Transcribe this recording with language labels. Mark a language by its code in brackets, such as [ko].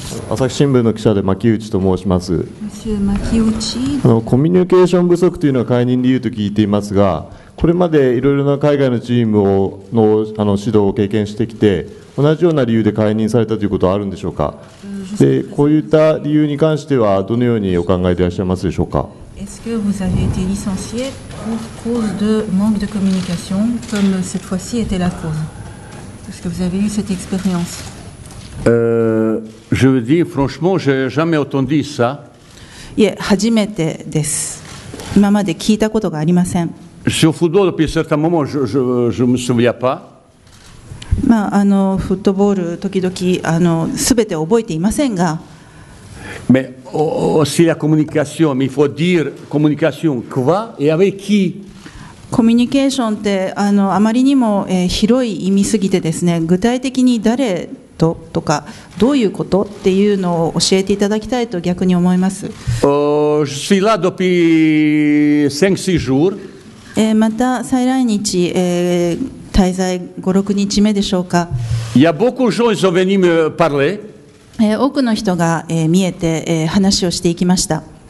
[ja] 朝日新聞の記者で牧内と申します。コミュニケーション不足というのが解任理由と聞いていますが、これまでいろいろな海外のチームを指導を経験してきて、同じような理由で解任されたということはあるんでしょうか？でこういった理由に関してはどのようにお考えでいらっしゃいますでしょうか？ [fr] Est-ce que vous avez été licencié pour cause de manque de communication comme cette fois-ci était la cause? Est-ce que vous avez eu cette expérience? Je veux dire, franchement, j'ai jamais entendu ça. Oui, [ja] 初めてです。今まで聞いたことがありません。 [fr] Sur le football, depuis un certain moment, je me souviens pas. [ja] まあ、フットボール、時々、すべて覚えていませんが。 [fr] Mais aussi la communication, mais il faut dire communication, quoi et avec qui? [ja] コミュニケーションって あまりにも、広い意味すぎてですね、具体的に誰ととかどういうことっていうのを教えていただきたいと逆に思います。 [fr] Je suis là depuis 5-6 jours. [ja] また再来日、滞在 5-6 日目でしょうか。 [fr] Il y a beaucoup de gens qui sont venus me parler. [ja] 多くの人が、見えて、話をしていきました。